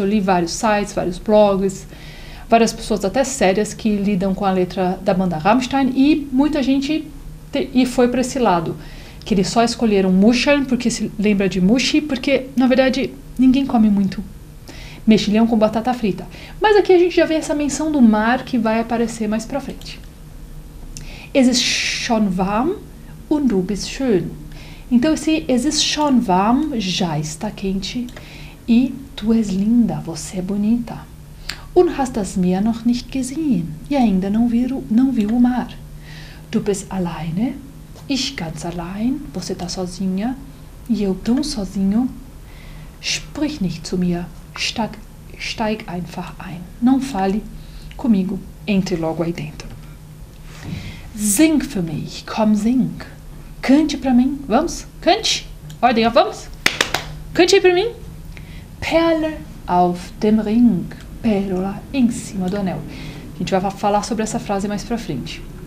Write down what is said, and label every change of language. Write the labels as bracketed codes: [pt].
[pt] Eu li vários sites, vários blogs, várias pessoas até sérias que lidam com a letra da banda Rammstein, e muita gente e foi para esse lado, que eles só escolheram Muscheln porque se lembra de Muschi, porque na verdade ninguém come muito mexilhão com batata frita. Mas aqui a gente já vê essa menção do mar que vai aparecer mais para frente. [de] Es ist schon warm und du bist schön. [pt] Então esse [de] es ist schon warm [pt] já está quente e tu és linda, você é bonita. [de] Und hast das Meer noch nicht gesehen. [pt] E ainda não viu o mar. [de] Du bist alleine, ich ganz allein, [pt] você tá sozinha, e eu tão sozinho. [de] Sprich nicht zu mir, steig einfach ein. [pt] Não fale comigo, entre logo aí dentro. [de] Sing für mich, komm sing. [pt] Cante pra mim, vamos, cante. Ordem, vamos. Cante aí pra mim. [de] Perle auf dem Ring, [pt] pérola em cima do anel. A gente vai falar sobre essa frase mais pra frente.